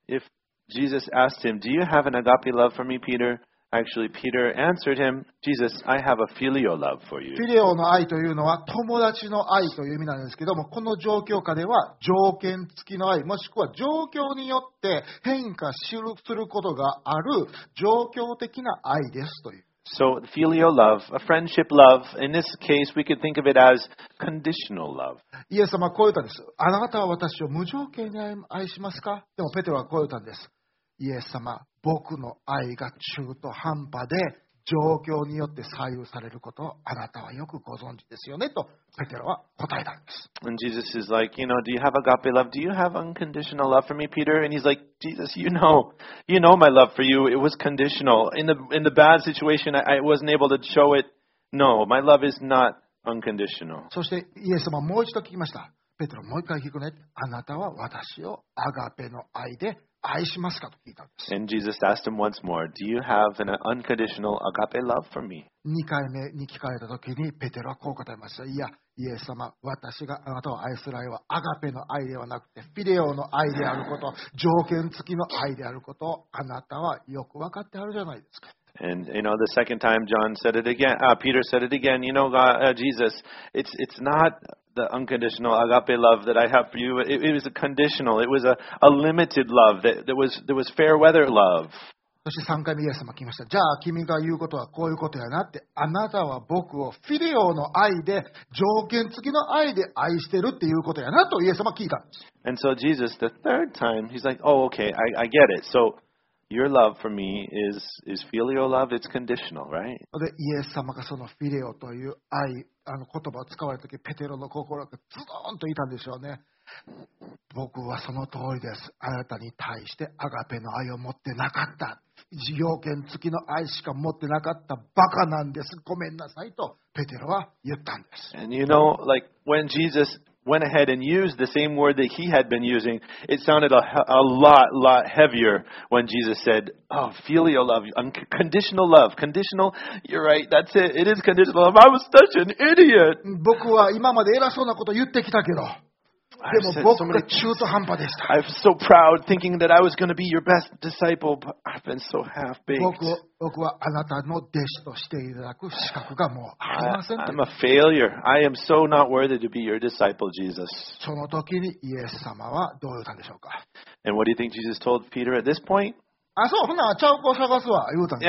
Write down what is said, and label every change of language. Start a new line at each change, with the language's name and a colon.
English: If Jesus asked him, Do you have an agape love for me, Peter? Actually, Peter answered him, Jesus, I have a filial love for you.
Japanese: フィレオの愛というのは友達の愛という意味なんですけども、この状況下では条件付きの愛、もしくは状況によって変化することがある状況的な愛ですという。
English: So, filial love, a friendship love, in this case, we could think of it as conditional love.
Japanese: イエス様はこう言ったんです。あなたは私を無条件に愛しますか？でもペテロはこう言ったんです。イエス様、僕の愛が中途半端で状況によって左右されることをあなたはよくご存知ですよね？とペテロは答えたんです。
English: And Jesus is like, you know, do you have agape love? Do you have unconditional love for me, Peter? And he's like, Jesus, you know my love for you. It was conditional. In the bad situation, I wasn't able to show it. No, my love is not unconditional.
Japanese: そしてイエス様もう一度聞きました。ペテロもう一回聞くね。あなたは私をアガペの愛で愛しますかと聞いたんです。
English: And Jesus asked him once more, Do you have an unconditional agape love for me?
Japanese: 2回目に聞かれた時にペテロはこう答えました。いや、イエス様、私があなたを愛する愛はアガペの愛ではなくてフィレオの愛であること、条件付きの愛であることをあなたはよく分かってあるじゃないですか。
English: And you know, the second time John said it again, Peter said it again, you know, God, Jesus, it's not the unconditional agape love that I have for you. It was a conditional, it was a limited love that was fair weather love.
Japanese: そして3回目イエス様来ました。じゃあ君が言うことはこういうことやなって、あなたは僕をフィレオの愛で、条件付きの愛で愛してるっていうことやなとイエス様聞いたんです。
English: And so Jesus, the third time, he's like, oh, okay, I get it. So,Your love for me is filial love. It's conditional, right?
Japanese: で、イエス様がそのフィレオという愛、言葉を使われた時、ペテロの心がズドンといたんでしょうね。僕はその通りです。あなたに対してアガペの愛を持ってなかった。条件付きの愛しか持ってなかったバカなんです。ごめんなさいとペテロは言ったんです。
English: And you know, like when Jesus went ahead and used the same word that he had been using, it sounded a lot, lot heavier when Jesus said, oh, filial love, unconditional love, conditional, you're right, that's it, it is conditional love, I was such an idiot.
Japanese: 僕は今まで偉そうなこと言ってきたけど、でも僕が中途半端でした。
English: I'm so proud thinking that I was going to be your best disciple, but I've been so half-baked.
Japanese: 僕はあなたの弟子としていただく資格がもうありません。
English: I'm a failure. I am so not worthy to be your disciple, Jesus.
Japanese: その時にイエス様はどう言ったんでしょうか。
English: And what do you think Jesus told Peter at this point?
Japanese: あ、そう、ほな、ちゃう子探すわ、言うたんです。